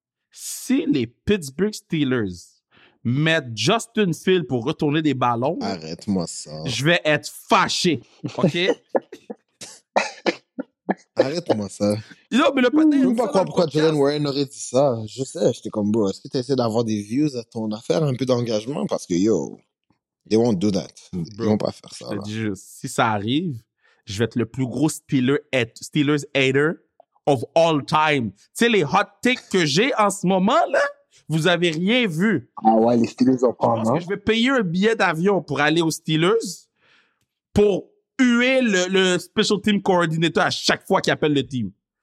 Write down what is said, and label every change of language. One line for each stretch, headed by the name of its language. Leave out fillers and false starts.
French: Si les Pittsburgh Steelers mettent Justin Field pour retourner des ballons... Arrête-moi ça. Je vais être fâché, OK? Arrête-moi ça. Non, mais le patin. Je ne sais pas pourquoi Jalen Warren aurait dit ça. Je sais, j'étais comme, bro, est-ce que tu essaies d'avoir des views à ton affaire, un peu d'engagement? Parce que,
English: yo, they won't do that.
French: Bro, ils vont pas faire ça. Je te dis juste, si ça arrive, je vais être le plus gros Steelers
English: hater of all time.
French: Tu sais, les hot takes que j'ai en ce moment, là, vous avez rien vu. Ah ouais, les Steelers ont pas, non? Je vais payer un billet d'avion pour aller aux Steelers pour tuer le special team coordinator à chaque fois qu'il appelle le team.